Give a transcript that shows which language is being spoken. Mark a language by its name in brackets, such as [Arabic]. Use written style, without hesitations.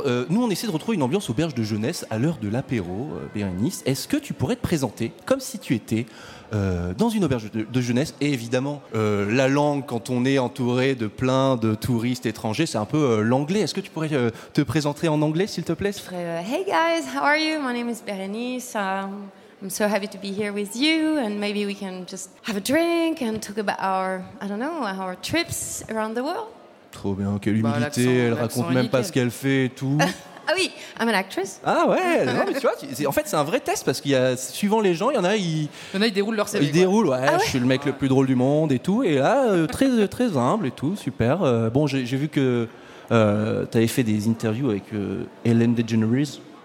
[French] Nous, on essaie de retrouver une ambiance auberge de jeunesse à l'heure de l'apéro, Bérénice. Est-ce que tu pourrais te présenter comme si tu étais... dans une auberge de jeunesse, et évidemment, la langue, quand on est entouré de plein de touristes étrangers, c'est un peu l'anglais. Est-ce que tu pourrais te présenter en anglais, s'il te plaît? Je ferais [English] « Hey guys, how are you? My name is Bérénice. I'm so happy to be here with you. And maybe we can just have a drink and talk about our, I don't know, our trips around the world. » [French] Trop bien, quelle humilité. Bah, elle raconte même pas ce qu'elle fait et tout. Ah oui, [English] I'm an actress. [French] Ah ouais, non mais tu vois, en fait c'est un vrai test parce qu'il y a, suivant les gens, il y en a, ils déroulent leur CV. Ils déroulent, ouais, je suis le mec le plus drôle du monde et tout. Et là, très, très humble et tout, super. Bon, j'ai vu que t'avais fait des interviews avec Ellen DeGeneres.